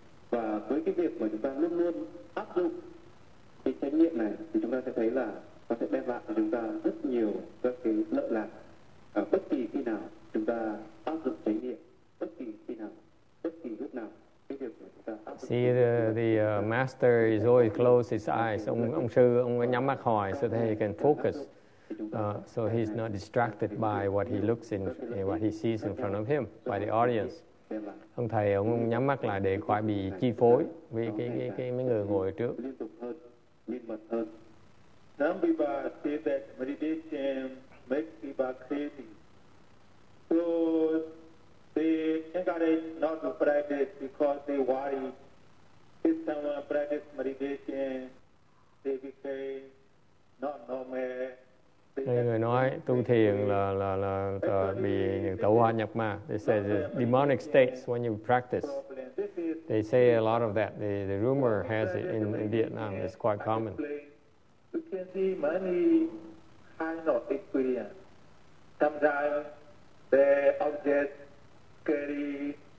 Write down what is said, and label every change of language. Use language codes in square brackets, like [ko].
[vi] Và với cái việc mà chúng ta luôn luôn áp dụng cái chánh niệm này thì chúng ta sẽ thấy là nó sẽ đem lại cho chúng ta rất nhiều các cái lợi lạc. Bất kỳ khi nào chúng ta áp dụng chánh niệm, bất kỳ khi nào, bất kỳ lúc nào, cái việc mà chúng ta áp dụng. [en] See the master is always close his eyes. [vi] Ông sư ông nhắm mắt hỏi [en] so that he can focus. So he's not distracted by what he looks in, what he sees in front of him by the audience. [vi] Ông thầy ông nhắm mắt lại để khỏi bị chi phối vì cái mấy người ngồi trước. [en] Some people say that meditation makes people crazy, so they encourage not to practice because they worry if someone practice meditation, they become not normal. [vi] Nên người nói tu thiền là bị tẩu hóa nhập ma. [en] They say the demonic states when you practice. They say a lot of that. The rumor has it in Vietnam. It's quite common. You can see many kind of experience. Sometimes the object scary.